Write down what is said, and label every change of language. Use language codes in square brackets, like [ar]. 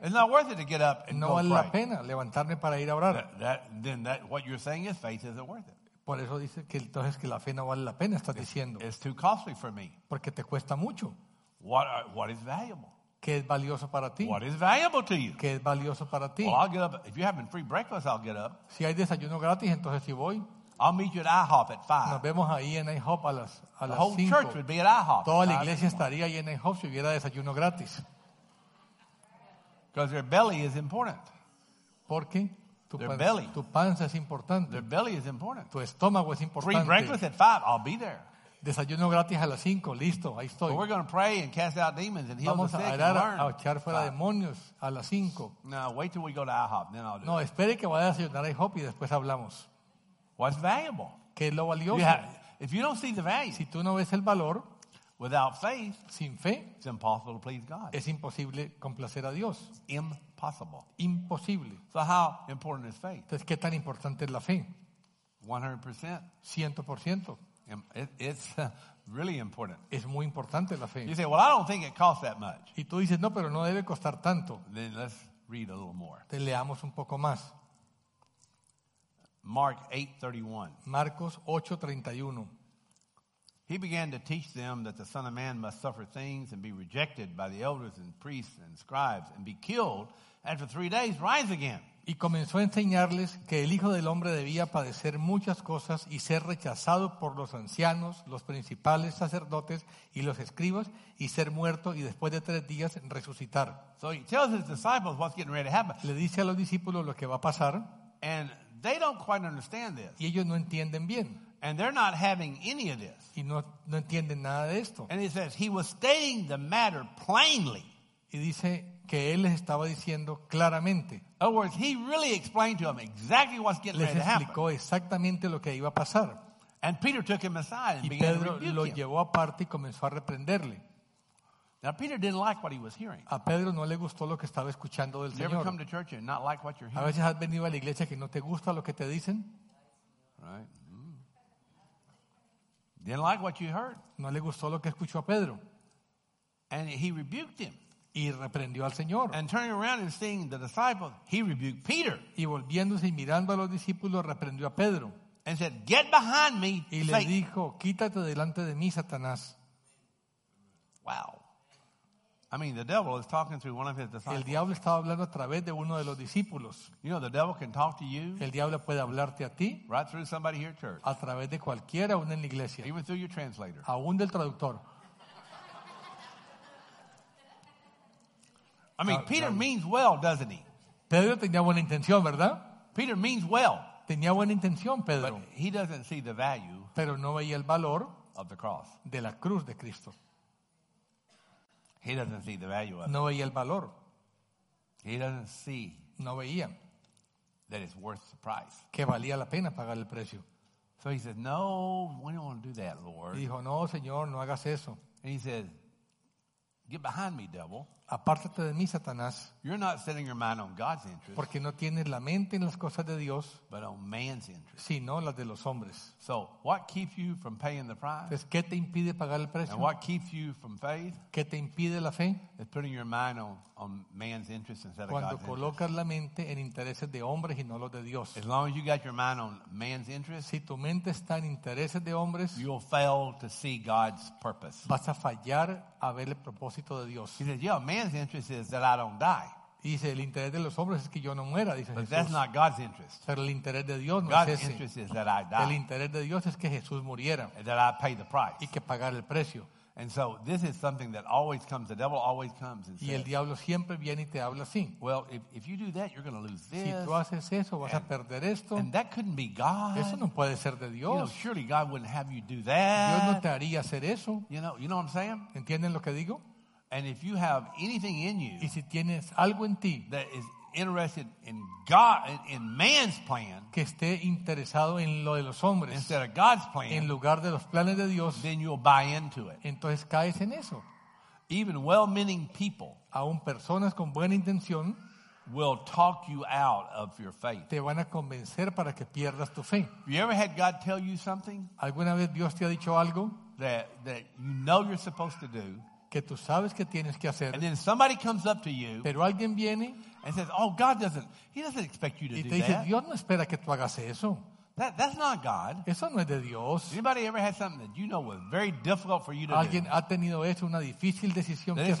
[en] It's not worth it to get up and [es] no [en] go [es] vale [en] pray. [es] La pena levantarme para ir a orar. [en] Then what you're saying is faith isn't worth it. [es] Por eso dice que entonces que la fe no vale la pena, estás diciendo. [en] It's too costly for me. [es] Porque te cuesta mucho. [en] What is valuable? [es] ¿Qué es valioso para ti? [en] What is valuable to you? [es] ¿Qué es valioso para ti? [en] Well, I'll get up. If you're having free breakfast, I'll get up. [es] Si hay desayuno gratis, entonces sí voy. [en] I'll meet you at IHOP at 5. [es] Nos vemos ahí en IHOP a las 5. [en] The whole [es] cinco. [en] Church would be at IHOP. [es] Toda la iglesia estaría ahí en IHOP si hubiera desayuno gratis. [en] Because their belly is important. [es] Porque [en] their belly. [es] Tu panza es importante. [en] Their belly is important. [es] Tu estómago es importante. [en] Free breakfast at 5. I'll be there. [es] Desayuno gratis a las 5. Listo, ahí estoy. [en] But we're going to pray and cast out demons and heal [es] vamos [en] the sick. [es] Vamos a orar a echar fuera demonios a las 5. [en] No, wait till we go to IHOP, then I'll do. [es] No, espere que vaya a desayunar a IHOP y después hablamos. [en] What's valuable? [es] ¿Qué es lo valioso? [en] If you don't see the value. [es] Si tú no ves el valor. [en] Without faith, [es] sin fe, [en] it's impossible to please God. [es] Es imposible complacer a Dios. [en] Impossible. [es] Imposible. [en] So how important is faith? [es] Entonces, ¿qué tan importante es la fe? [en] 100%. [es] 100%. [en] It's really important. [es] Es muy importante la fe. [en] You say, well, I don't think it costs that much. [es] Y tú dices, no, pero no debe costar tanto. [en] Then let's read a little more. [es] Te leamos un poco más. [en] Mark 8:31. [es] Marcos 8:31. [en] He began to teach them that the Son of Man must suffer things and be rejected by the elders and priests and scribes and be killed and for 3 days rise again. [es] Y comenzó a enseñarles que el Hijo del Hombre debía padecer muchas cosas y ser rechazado por los ancianos, los principales sacerdotes y los escribas y ser muerto y después de 3 días resucitar. [en] So he tells his disciples what's getting ready to happen. [es] Le dice a los discípulos lo que va a pasar. [en] And they don't quite understand this. [es] Y ellos no entienden bien. [en] And they're not having any of this. [es] Y no entienden nada de esto. [en] And he says he was stating the matter plainly. [es] Y dice que él les estaba diciendo claramente. [en] In other words, he really explained to them exactly what's getting [es] les [en] ready to happen. [es] Les explicó exactamente lo que iba a pasar. [en] And Peter took him aside and [es] y [en] began [es] Pedro [en] to rebuke [es] lo [en] him. [es] Llevó aparte y comenzó a reprenderle. [en] Now Peter didn't like what he was hearing. [es] A Pedro no le gustó lo que estaba escuchando del Señor. [en] You ever come to church and not like what you're hearing? [es] A veces has venido a la iglesia que no te gusta lo que te dicen. [en] Right. Didn't like what you heard. [es] No le gustó lo que escuchó a Pedro. [en] And he rebuked him. [es] Y reprendió al Señor. [en] And turning around and seeing the disciples, he rebuked Peter. [es] Y volviéndose y mirando a los discípulos, reprendió a Pedro. [en] And said, "Get behind me, [es] y [en] Satan." [es] Y le dijo, "Quítate delante de mí, Satanás." [en] Wow. I mean, the devil is talking through one of his disciples. [es] El diablo estaba hablando a través de uno de los discípulos. [en] You know, the devil can talk to you. [es] El diablo puede hablarte a ti. [en] Right through somebody here at church. [es] A través de cualquiera, aún en la iglesia. [en] Even through your translator. [es] Aún del traductor. [en] I mean, Peter means well, doesn't he? [es] Pedro tenía buena intención, ¿verdad? [en] Peter means well. [es] Tenía buena intención, Pedro. [en] But he doesn't see the value. [es] Pero no veía el valor [en] of the cross. [es] De la cruz de Cristo. [en] He doesn't see the value of it. [es] No veía el valor. [en] He doesn't see. [es] No veía. [en] That it's worth the price. [es] Que valía la pena pagar el precio. [en] So he says, "No, we don't want to do that, Lord." [es] Dijo, "No, Señor, no hagas eso." [en] And he says, Get behind me, devil. [es] Apártate de mí, Satanás. [en] You're not setting your mind on God's interest. [es] Porque no tienes la mente en las cosas de Dios, [en] but on man's interest. [es] Sino las de los hombres. [en] So, what keeps you from paying the price? [es] Entonces, ¿qué te impide pagar el precio? [en] And what keeps you from faith? [es] ¿Qué te impide la fe? [en] Is putting your mind on man's interest instead of God's interest. [es] Cuando colocas la mente en intereses de hombres y no los de Dios. [en] As long as you got your mind on man's interest, [es] si tu mente está en intereses de hombres, [en] you'll fail to see God's purpose. [es] Vas a fallar a ver el propósito de Dios. [en] He says, yeah, man's interest is that I don't die. [es] Dice, el interés de los hombres es que yo no muera, dice [en] but [es] Jesús. [en] That's not God's interest. [es] Pero el interés de Dios no [en] God's [es] es ese. [en] Interest is that I die. [es] El interés de Dios es que Jesús muriera. [en] And that I pay the price. [es] Y que pagara el precio. [en] And so this is something that always comes. The devil always comes and says. [es] Y el diablo siempre viene y te habla así. [en] Well, if you do that, you're going to lose this. [es] Si tú haces eso, vas a perder esto. [en] And that couldn't be God. [es] Eso no puede ser de Dios. [en] You know, surely God wouldn't have you do that. [es] Dios no te haría hacer eso. [en] You know what I'm saying? [es] ¿Entienden lo que digo? [en] And if you have anything in you, [es] y si tienes algo en ti, [en] that is interested in God, in man's plan, [es] que esté interesado en lo de los hombres, [en] instead of God's plan, [es] en lugar de los planes de Dios, [en] then you'll buy into it. [es] Entonces caes en eso. [en] Even well-meaning people, [es] aun personas con buena intención, [en] will talk you out of your faith. [es] Te van a convencer para que pierdas tu fe. [en] You ever had God tell you something? [es] ¿Alguna vez Dios te ha dicho algo? [en] That you know you're supposed to do. [es] Que tú sabes que tienes que hacer. [en] And then somebody comes up to you. [es] Pero alguien viene. [en] And says, oh, God doesn't, he doesn't expect you to do that. [es] Y te dice, Dios no espera que tú hagas eso. [en] That's not God. [es] Eso no es de Dios. [en] Anybody ever had something that you know was very difficult for you to do? [es] Alguien ha tenido eso, una difícil decisión que hacer.